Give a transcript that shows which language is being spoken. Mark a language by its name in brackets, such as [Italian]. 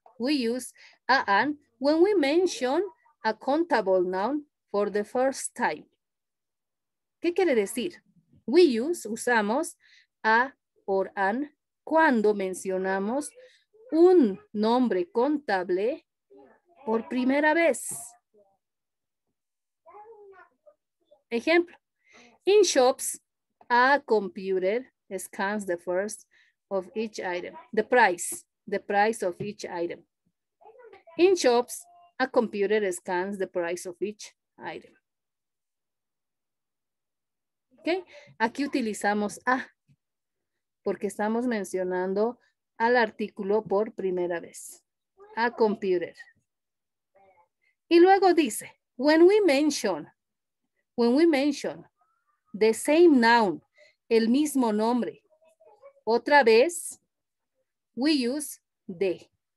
[English] We use a an when we mention a countable noun for the first time. [Spanish] ¿Qué quiere decir? Usamos a or an cuando mencionamos un nombre contable por primera vez. Ejemplo. [English] In shops, a computer scans the first of each item. The price of each item. In shops, a computer scans the price of each item. Okay. [Spanish] Aquí utilizamos a porque estamos mencionando al artículo por primera vez. [English] A computer. [Spanish] Y luego dice, [English] when we mention the same noun, [Spanish] el mismo nombre, otra vez, [English] we use the.